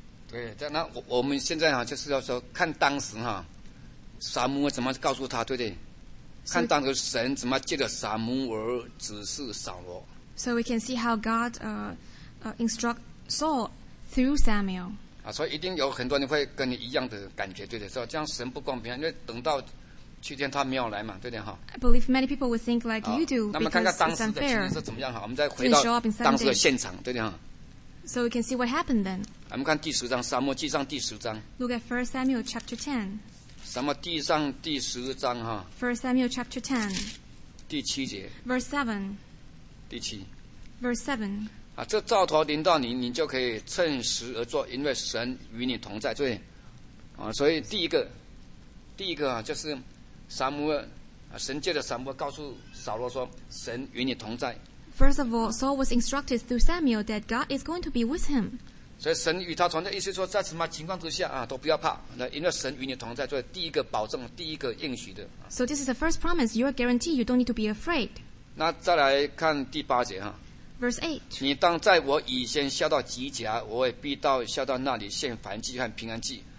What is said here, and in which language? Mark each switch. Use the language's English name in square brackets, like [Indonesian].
[Chinese] 对，那我们现在就是要说看当时撒母耳怎么告诉他，对不对？看当时神怎么借着撒母耳指示扫罗。 [English] So we can see how God instruct Saul through Samuel. [Chinese] 啊，所以一定有很多人会跟你一样的感觉，对不对？说这样神不公平，因为等到去天他没有来嘛，对不对？ [English] I believe many people would think like you do. [Chinese] 那么看看当时的情形是怎么样，我们再回到当时的现场，对不对？ [English] So we can see what happened then. [Chinese] 我们看第十章，撒母耳记上第十章。 [English] Look at 1 Samuel chapter 10. [Chinese] 撒母耳记上第十章哈。 [English] 1 Samuel chapter 10. [Chinese] 第七节。 [English] Verse 7. [Chinese] 第七。 [English] Verse 7. [Chinese] 啊，这兆头临到你，你就可以趁时而作，因为神与你同在。对。啊，所以第一个啊，就是撒母耳，神借着撒母耳告诉扫罗说，神与你同在。 [English] First of all, Saul was instructed through Samuel that God is going to be with him. [Chinese] 所以神与他同在，意思说在什么情况之下啊，都不要怕。那因为神与你同在，作为第一个保证，第一个应许的。 [English] So this is the first promise. You are guaranteed. You don't need to be afraid. [Chinese] 那再来看第八节哈。 [English] Verse 8. [Chinese] 你当在我以前下到基甲，我也必到下到那里献燔祭和平安祭。